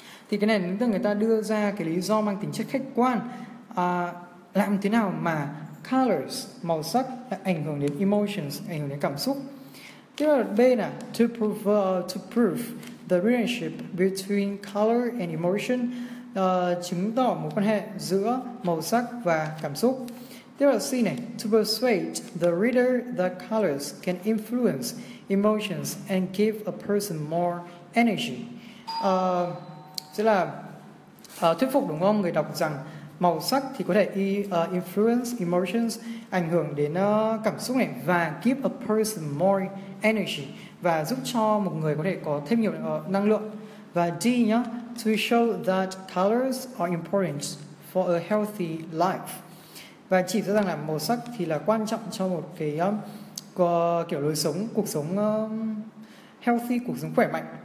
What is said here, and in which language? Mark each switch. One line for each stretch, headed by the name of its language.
Vietnamese: Thì cái này tức là người ta đưa ra cái lý do mang tính chất khách quan, làm thế nào mà colors, màu sắc ảnh hưởng đến emotions, ảnh hưởng đến cảm xúc. Tiếp theo là B nè,
English: to prove the relationship between color and emotion,
Vietnamese: chứng tỏ mối quan hệ giữa màu sắc và cảm xúc. Tiếp theo là C này,
English: to persuade the reader that colors can influence emotions and give a person more energy.
Vietnamese: Tức là thuyết phục đúng không người đọc rằng màu sắc thì có thể
English: influence emotions,
Vietnamese: ảnh hưởng đến cảm xúc này, và
English: give a person more energy,
Vietnamese: và giúp cho một người có thể có thêm nhiều năng lượng. Và D nhá,
English: to show that colors are important for a healthy life,
Vietnamese: và chỉ rõ ràng là màu sắc thì là quan trọng cho một cái kiểu lối sống, cuộc sống healthy, cuộc sống khỏe mạnh.